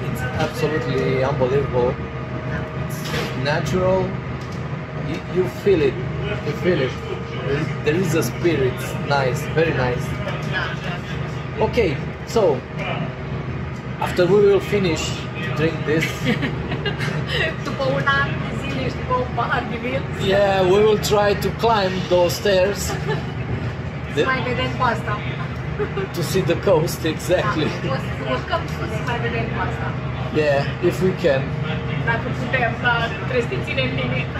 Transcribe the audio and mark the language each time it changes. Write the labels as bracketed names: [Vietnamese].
[English] It's absolutely unbelievable. It's natural, you feel it, you feel it. There is a spirit, nice, very nice. Okay, so after we will finish drink this. [Romanian] După un an de zile și după un pahar de vin. [English] Yeah, we will try to climb those stairs. [Romanian] Să mai vedem coasta. [English] To see the coast, exactly. [Romanian] Da, o să urcăm sus să mai vedem coasta. [English] Yeah, if we can. [Romanian] Dacă putem, dar trebuie să ținem bine.